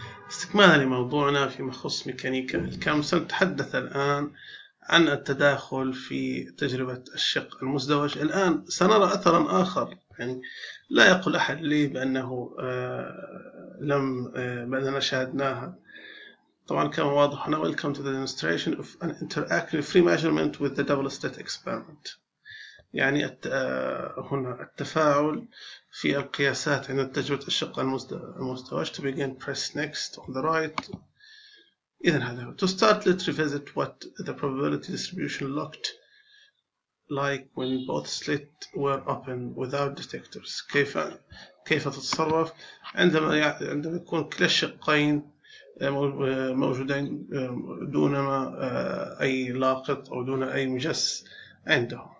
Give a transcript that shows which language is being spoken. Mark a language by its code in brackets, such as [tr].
[ar] استكمالا لموضوعنا فيما يخص ميكانيكا الكم، سنتحدث الآن عن التداخل في تجربة الشق المزدوج. الآن سنرى أثرا آخر، يعني لا يقول أحد لي بأنه لم بأننا شاهدناها. طبعا كما واضح هنا، [en] Welcome to the demonstration of an interactive free measurement with the double slit experiment. [ar] يعني هنا التفاعل في القياسات عند تجربة الشق المزدوج. [en] To begin, press next on the right. [ar] إذن هذا هو. [en] To start, let's revisit what the probability distribution looked like when both slits were open without detectors. [ar] كيف تتصرف عندما يكون كلا الشقين موجودين دونما أي لاقط أو دون أي مجس عندهم.